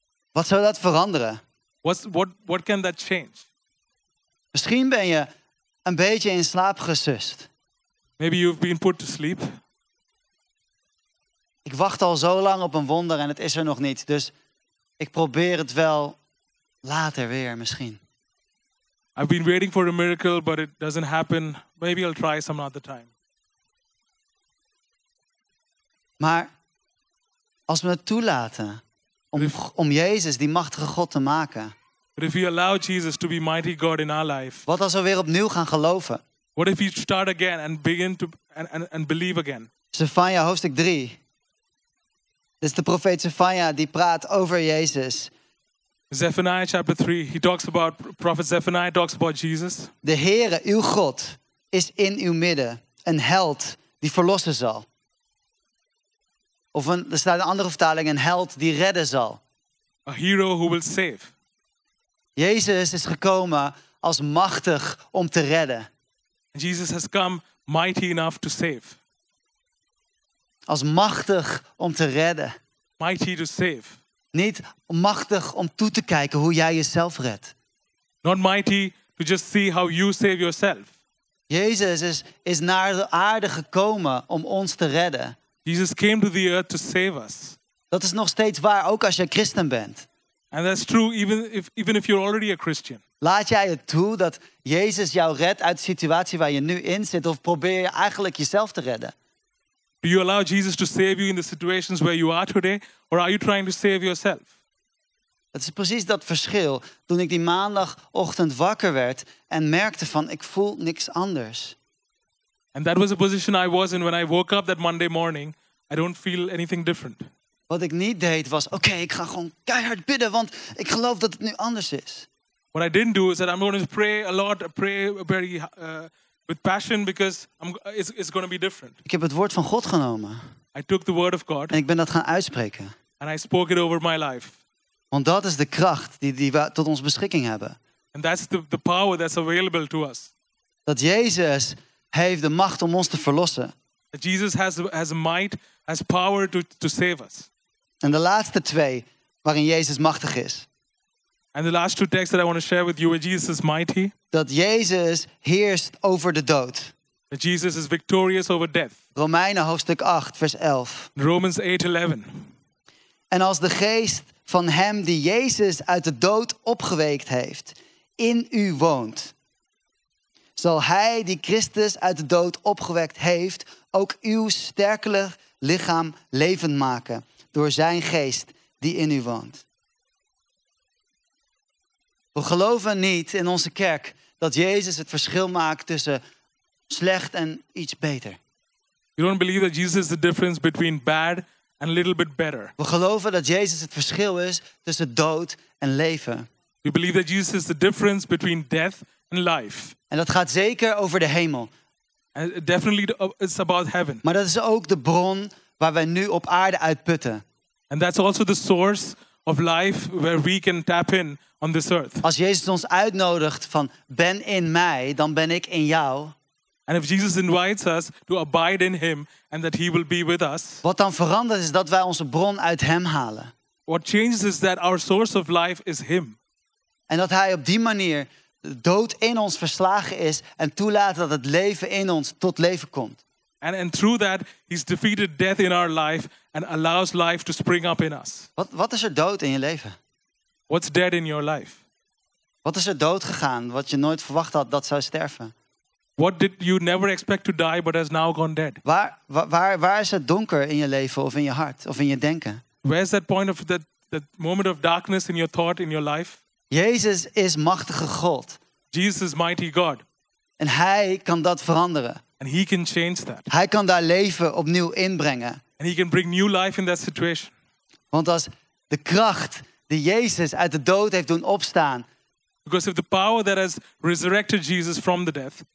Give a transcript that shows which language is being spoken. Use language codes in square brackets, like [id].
[nl] Wat zou dat veranderen? [en] What can that change? [nl] Misschien ben je een beetje in slaap gesust. [en] Maybe you've been put to sleep. [nl] Ik wacht al zo lang op een wonder en het is er nog niet. Dus ik probeer het wel later weer misschien. [en] I've been waiting for a miracle, but it doesn't happen. Maybe I'll try some other time. [nl] Maar als we het toelaten om Jezus, die machtige God, te maken. [en] But if we allow Jesus to be mighty God in our life. [nl] Wat als we weer opnieuw gaan geloven? [en] What if we start again and begin to and believe again? [nl] Zefania hoofdstuk 3. Dit is de profeet Zefania die praat over Jezus. [en] Zephaniah chapter 3. He talks about prophet Zephaniah talks about Jesus. [nl] De Heere, uw God, is in uw midden, een held die verlossen zal. Of er staat een andere vertaling, een held die redden zal. [en] A hero who will save. [nl] Jezus is gekomen als machtig om te redden. [en] Jesus has come mighty enough to save. [nl] Als machtig om te redden. [en] Mighty to save. [nl] Niet machtig om toe te kijken hoe jij jezelf redt. [en] Not mighty to just see how you save yourself. [nl] Jezus is naar de aarde gekomen om ons te redden. [en] Jesus came to the earth to save us. [nl] Dat is nog steeds waar, ook als je christen bent. [en] And that's true even if you're already a Christian. [nl] Laat jij het toe dat Jezus jou redt uit de situatie waar je nu in zit, of probeer je eigenlijk jezelf te redden? [en] Do you allow Jesus to save you in the situations where you are today, or are you trying to save yourself? [nl] Het is precies dat verschil toen ik die maandagochtend wakker werd en merkte van ik voel niks anders. [en] And that was the position I was in when I woke up that Monday morning. I don't feel anything different. [nl] Wat ik niet deed was, oké, ik ga gewoon keihard bidden, want ik geloof dat het nu anders is. [en] What I didn't do is that I'm going to pray a lot, pray very with passion, because it's going to be different. [nl] Ik heb het woord van God genomen. [en] I took the word of God. [nl] En ik ben dat gaan uitspreken. [en] And I spoke it over my life. [nl] Want dat is de kracht die we tot ons beschikking hebben. [en] And that's the power that's available to us. [nl] Dat Jezus heeft de macht om ons te verlossen. [en] That Jesus has might. Has power to save us. [nl] En de laatste twee waarin Jezus machtig is. [en] And the last two texts that I want to share with you where Jesus is mighty. [nl] Dat Jezus heerst over de dood. [en] That Jesus is victorious over death. [nl] Romeinen hoofdstuk 8 vers 11. [en] Romans 8, 11. [nl] En als de geest van hem die Jezus uit de dood opgewekt heeft in u woont, zal hij die Christus uit de dood opgewekt heeft ook uw sterkelijk lichaam levend maken door zijn geest die in u woont. We geloven niet in onze kerk dat Jezus het verschil maakt tussen slecht en iets beter. [en] You don't believe that Jesus is the difference between bad and a little bit better. [nl] We geloven dat Jezus het verschil is tussen dood en leven. [en] You believe that Jesus is the difference between death and life. [nl] En dat gaat zeker over de hemel. [en] Definitely it's about heaven. [nl] Maar dat is ook de bron waar wij nu op aarde uitputten. [en] And that's also the source of life where we can tap in on this earth. [nl] Als Jezus ons uitnodigt van ben in mij, dan ben ik in jou. [en] And if Jesus invites us to abide in him and that he will be with us. [nl] Wat dan verandert is dat wij onze bron uit hem halen. [en] What changes is that our source of life is him. [nl] En dat hij op die manier dood in ons verslagen is en toelaat dat het leven in ons tot leven komt. [en] And through that he's defeated death in our life and allows life to spring up in us. [nl] Wat is er dood in je leven? [en] What's dead in your life? [nl] Wat is er dood gegaan wat je nooit verwacht had dat zou sterven? [en] What did you never expect to die but has now gone dead? [nl] Waar is het donker in je leven of in je hart of in je denken? [en] Where's that point of that moment of darkness in your thought in your life? [nl] Jezus is machtige God. [en] Jesus is mighty God. [nl] En hij kan dat veranderen. [en] And he can change that. [nl] Hij kan daar leven opnieuw inbrengen. [en] And he can bring new life in that situation. [nl] Want als de kracht die Jezus uit de dood heeft doen opstaan, [en] because if the power that has resurrected Jesus from the death,